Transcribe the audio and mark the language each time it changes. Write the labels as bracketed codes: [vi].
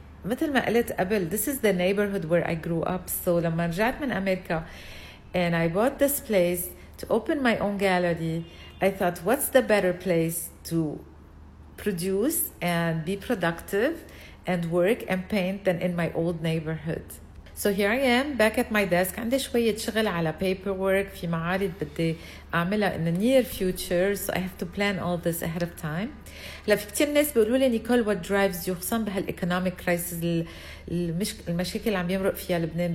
[ar] مثل ما قلت قبل, [en] this is the neighborhood where I grew up. So [ar] لما رجعت من أمريكا [en] and I bought this place to open my own gallery, I thought, what's the better place to produce and be productive and work and paint than in my old neighborhood? So here I am back at my desk. [ar] عندي شوية شغل على paperwork في معارض بدي أعملها [en] in the near future. So I have to plan all this ahead of time. [ar] لا في كتير ناس بيقولوا لي نيكول, [en] what drives you, [ar] خصوصا بهال [en] economic crisis, [ar] المشاكل اللي عم يمرق فيها لبنان.